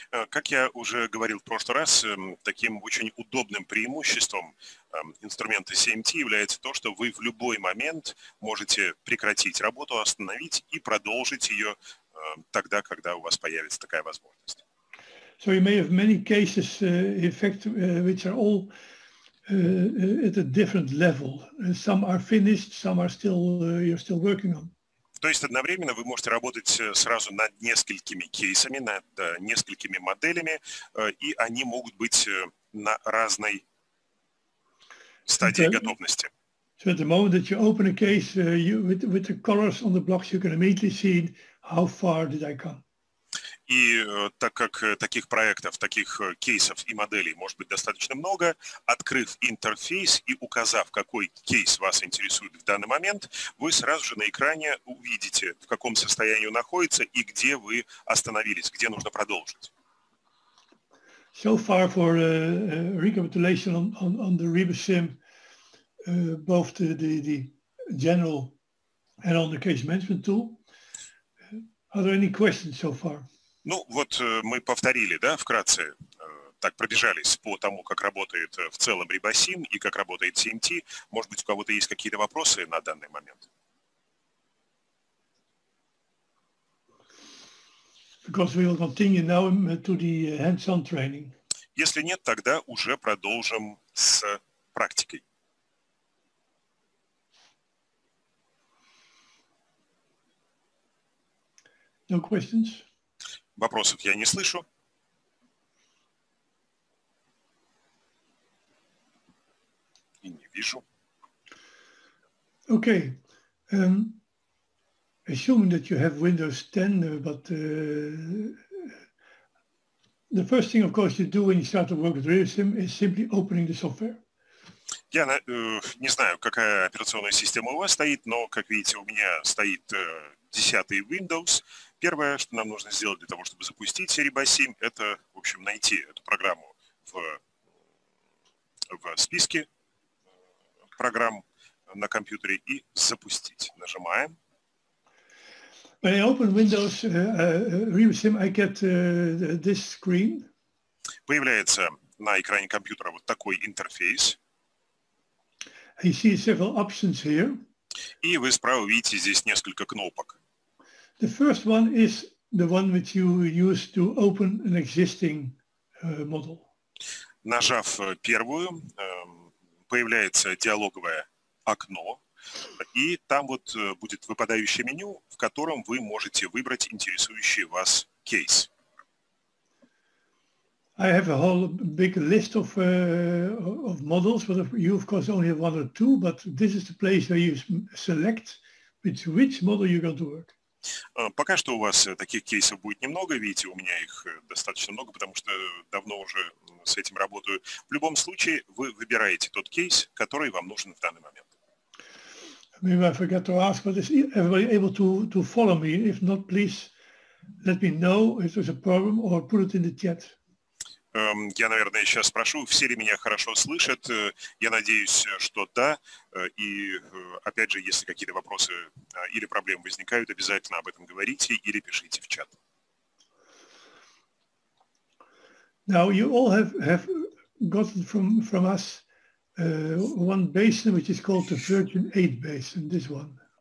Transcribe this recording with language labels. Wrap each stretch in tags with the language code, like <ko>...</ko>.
<ru>Как я уже говорил в прошлый раз, таким очень удобным преимуществом инструмента CMT является то, что вы в любой момент можете прекратить работу, остановить и продолжить ее тогда, когда у вас появится такая возможность.</ru> <en>So you may have many cases, in fact, which are all at a different level. Some are finished, some are still, you're still working on.</en> <ru>То есть одновременно вы можете работать сразу над несколькими кейсами, над несколькими моделями, и они могут быть на разной стадии готовности.</ru> <en>So at the moment that you open a case, you, with the colors on the blocks, you can immediately see how far did I come.</en> <ru>И так как таких проектов, таких кейсов и моделей может быть достаточно много, открыв интерфейс и указав, какой кейс вас интересует в данный момент, вы сразу же на экране увидите, в каком состоянии он находится и где вы остановились, где нужно продолжить.</ru> <en>So far for recapitulation on the RebusSim, both the general and on the case management tool. Are there any questions so far?</en> <ru>Ну вот мы повторили, да, вкратце, так пробежались по тому, как работает в целом RebusSim и как работает CMT. Может быть, у кого-то есть какие-то вопросы на данный момент?</ru> <en>Because we will continue now to the hands-on training.</en> <ru>Если нет, тогда уже продолжим с практикой.</ru> <en>No questions?</en> <ru>Вопросов я не слышу. И не вижу.</ru> <en>Okay. Assuming that you have Windows 10, but the first thing, of course, you do when you start to work with RebusSim is simply opening the software.</en> <ru>Я не знаю, какая операционная система у вас стоит, но, как видите, у меня стоит 10-й Windows. Первое, что нам нужно сделать для того, чтобы запустить RebusSim, это, в общем, найти эту программу в списке программ на компьютере и запустить. Нажимаем.</ru> <en>When I open Windows RebusSim, I get this screen.</en> <ru>Появляется на экране компьютера вот такой интерфейс.</ru> <en>You see several options here.</en> <ru>И вы справа видите здесь несколько кнопок.</ru> <en>The first one is the one which you use to open an existing model.</en> <ru>Нажав первую, появляется диалоговое окно, и там вот будет выпадающее меню, в котором вы можете выбрать интересующий вас кейс.</ru> <en>I have a whole big list of models, but you of course only have one or two, but this is the place where you select which model you're going to work.</en> <ru>Пока что у вас таких кейсов будет немного, видите, у меня их достаточно много, потому что давно уже с этим работаю. В любом случае, вы выбираете тот кейс, который вам нужен в данный момент.</ru> <en>Maybe I forgot to ask, but is everybody able to follow me? If not, please let me know if there's a problem or put it in the chat.</en> <ru>Я, наверное, сейчас спрошу, все ли меня хорошо слышат. Я надеюсь, что да. И, опять же, если какие-то вопросы или проблемы возникают, обязательно об этом говорите или пишите в чат.</ru> <en>Now, you all have gotten from us one basin, which is called the Virgin 8 basin, this one.</en>